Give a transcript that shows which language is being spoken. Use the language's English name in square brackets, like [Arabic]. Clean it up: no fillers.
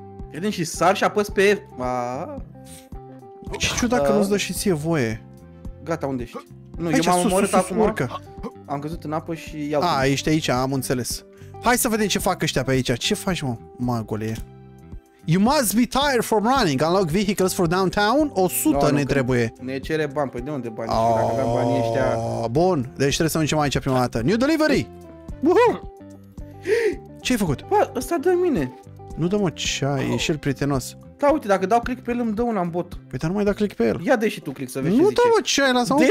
[Romanian] Vedem și sar și apăs pe F. Ce ciudat că nu-ți dă și ție voie. Gata, unde ești? Nu, aici, eu m-am omorât acum. Urcă. Am căzut în apă și iau. A, ești aici, am înțeles. Hai să vedem ce fac ăștia pe aici. Ce faci, mă, magule? [English] You must be tired from running. Unlock vehicles for downtown. [Romanian] 100 ne trebuie. Ne cere bani. Păi de unde bani? Dacă aveam banii ăștia... Bun. Deci trebuie să mergem aici prima dată. [English] New delivery. Woohoo. [Romanian] Ce ai făcut? Bă, ăsta dă mine. Nu dă, mă, ceai. Ești el prietenos. Da, uite, dacă dau click pe el, îmi dă una în bot. Păi dar nu mai dai click pe el. Ia dă și tu click să vezi nu ce zice. Nu, dă, mă, ceai. Lasă-mă în